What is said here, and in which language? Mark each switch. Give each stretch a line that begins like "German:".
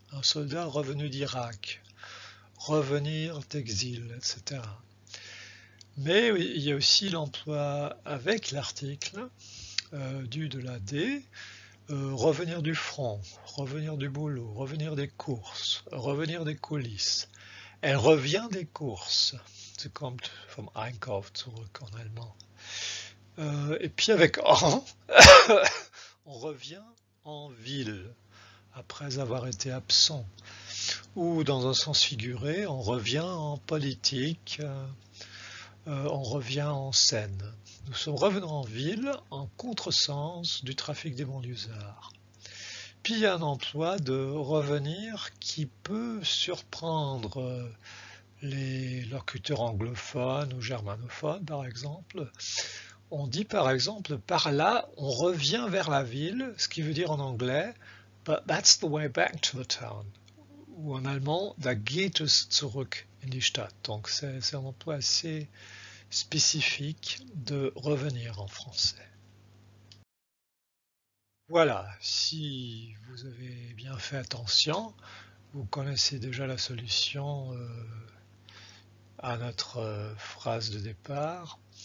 French: Un soldat revenu d'Irak, revenir d'exil, etc. Mais oui, il y a aussi l'emploi avec l'article du de la D, revenir du front, revenir du boulot, revenir des courses, revenir des coulisses. Elle revient des courses,
German: Ist kommt vom Einkauf zurück
French: en allemand. Et puis avec en, on revient en ville après avoir été absent. Ou dans un sens figuré, on revient en politique, on revient en scène. Nous sommes revenus en ville en contresens du trafic des banlieusards. Puis il y a un emploi de revenir qui peut surprendre les locuteurs anglophones ou germanophones, par exemple. On dit par exemple par là, on revient vers la ville, ce qui veut dire en anglais
English: but that's the way back to the town.
French: Ou en allemand,
German: da geht es zurück in die Stadt.
French: Donc c'est un emploi assez spécifique de revenir en français. Voilà, si vous avez bien fait attention, vous connaissez déjà la solution à notre phrase de départ.